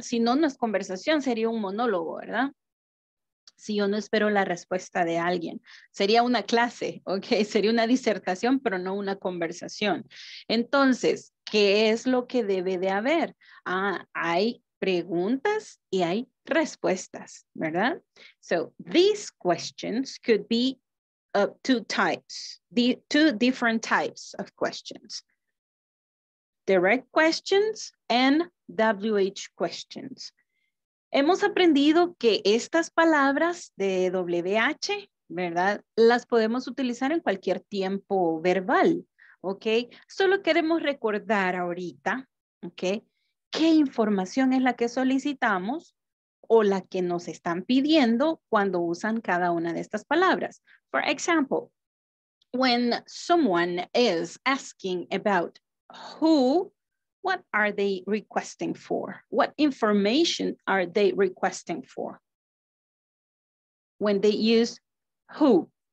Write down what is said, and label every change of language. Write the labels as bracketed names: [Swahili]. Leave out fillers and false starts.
[Spanish] Si no, no es conversación, sería un monólogo, ¿verdad? Si yo no espero la respuesta de alguien, sería una clase, ¿ok? Sería una disertación, pero no una conversación. Entonces, ¿qué es lo que debe de haber? Ah, hay preguntas y hay respuestas, ¿verdad? [English] So, these questions could be two types, two different types of questions. Direct questions and WH questions. [Spanish] Hemos aprendido que estas palabras de WH, ¿verdad? Las podemos utilizar en cualquier tiempo verbal, ¿ok? Solo queremos recordar ahorita, ¿ok? ¿Qué información es la que solicitamos o la que nos están pidiendo cuando usan cada una de estas palabras? [English] For example, when someone is asking about who, what are they requesting for? What information are they requesting for? When they use who?